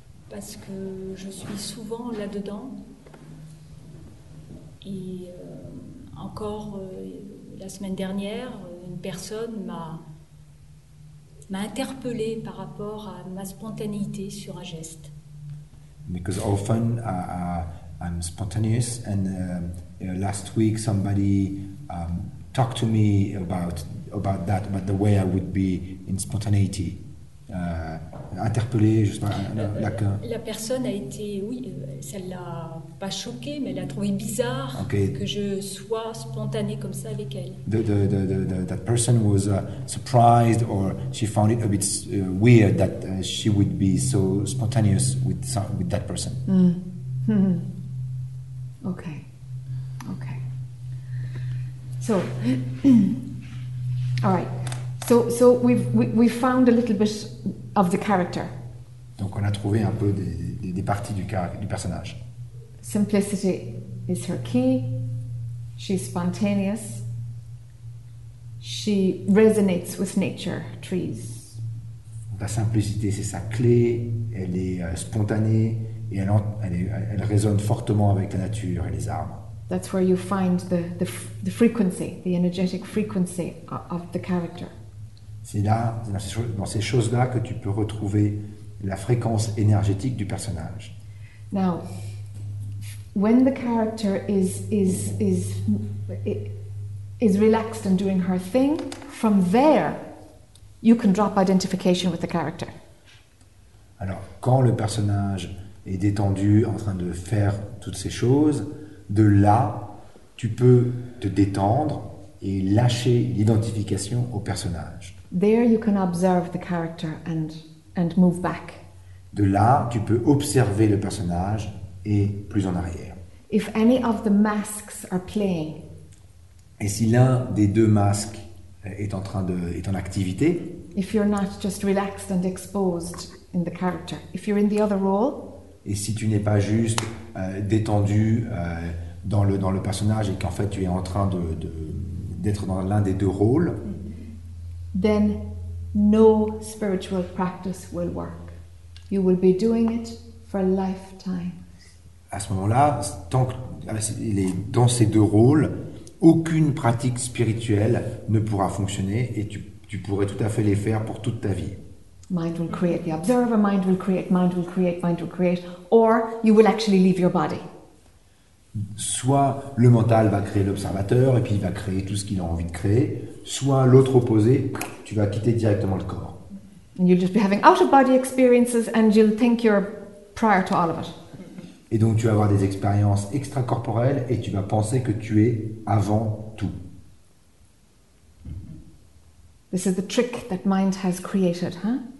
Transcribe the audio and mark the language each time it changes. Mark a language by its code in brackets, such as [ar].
[fr] Parce que je suis souvent là-dedans, et encore la semaine dernière, une personne m'a interpellé par rapport à ma spontanéité sur un geste. [en] Because often I'm spontaneous, and last week somebody talked to me about that, about the way I would be in spontaneity. [fr] interpellé, je sais pas, Lacan. La personne a été, oui, ça l'a pas choqué, mais elle a trouvé bizarre okay. que je sois spontanée comme ça avec elle. [en] That person was surprised, or she found it a bit weird that she would be so spontaneous with that person. Mm. Mm-hmm. Okay. Okay. So, all right. So we found a little bit of the character. [fr] Donc on a trouvé un peu des parties du personnage. [en] Simplicity is her key. She's spontaneous. She resonates with nature, trees. [fr] Donc la simplicité c'est sa clé. Elle est spontanée et elle résonne fortement avec la nature et les arbres. [en] That's where you find the frequency, the energetic frequency of the character. [fr] C'est là, dans ces choses-là, que tu peux retrouver la fréquence énergétique du personnage. [en] Now, when the character is relaxed and doing her thing, from there, you can drop identification with the character. [fr] Alors, quand le personnage est détendu, en train de faire toutes ces choses, de là, tu peux te détendre et lâcher l'identification au personnage. [en] There you can observe the character and move back. [fr] De là, tu peux observer le personnage et plus en arrière. [en] If any of the masks are playing. [fr] Et si l'un des deux masques est en activité? [en] If you're not just relaxed and exposed in the character. If you're in the other role. [fr] Et si tu n'es pas juste détendu dans le personnage et qu'en fait tu es en train de d'être dans l'un des deux rôles? [en] Then no spiritual practice will work. You will be doing it for a lifetime. [fr] À ce moment-là, tant qu'il est dans ces deux rôles, aucune pratique spirituelle ne pourra fonctionner et tu pourrais tout à fait les faire pour toute ta vie. [en] Mind will create the observer, mind will create, mind will create, mind will create, or you will actually leave your body. [fr] Soit le mental va créer l'observateur et puis il va créer tout ce qu'il a envie de créer, soit l'autre opposé, tu vas quitter directement le corps. [en] And you'll just be having out-of-body experiences and you'll think you're prior to all of it. [fr] Et donc tu vas avoir des expériences extracorporelles et tu vas penser que tu es avant tout. [en] This is the trick that mind has created, huh?